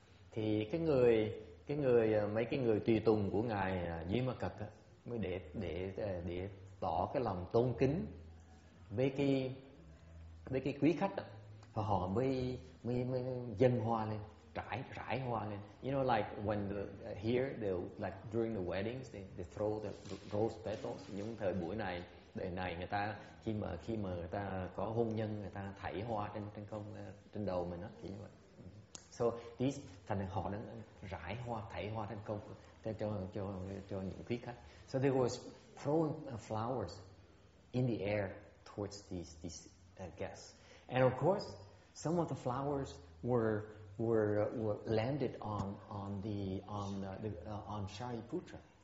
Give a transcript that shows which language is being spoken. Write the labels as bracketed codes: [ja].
[vi] Thì cái người mấy cái người tùy tùng của ngài Vimalakirti á mới để tỏ cái lòng tôn kính với cái với cái quý khách đó, và họ mới dâng hoa lên, trải hoa lên. [en] You know, like when here they like during the weddings they throw the rose petals. [vi] Những thời buổi này, đời này người ta khi mà người ta có hôn nhân, người ta thảy hoa trên đầu mình đó, kiểu như vậy. [en] So these [vi] thành họ đang rải hoa, thảy hoa trên công cho những quý khách. [en] So they was throwing flowers in the air towards these guests, and of course some of the flowers were landed on Shariputra.